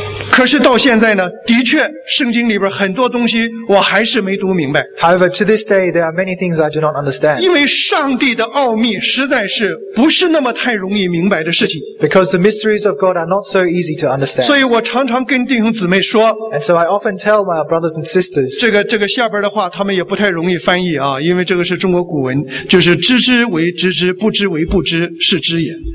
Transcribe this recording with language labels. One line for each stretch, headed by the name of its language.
Chinese: 可是到现在呢，的确圣经里边很多东西我还是没读明白。
English: However, to this day, there are many things I do not understand.
Chinese: 因为上帝的奥秘实在是不是那么太容易明白的事情。
English: Because the mysteries of God are not so easy to understand.
Chinese: 所以我常常跟弟兄姊妹说。
English: And so I often tell my brothers and sisters.
Chinese: 这个下边的话他们也不太容易翻译啊，因为这个是中国古文，就是知之为知之，不知为不知，是知也。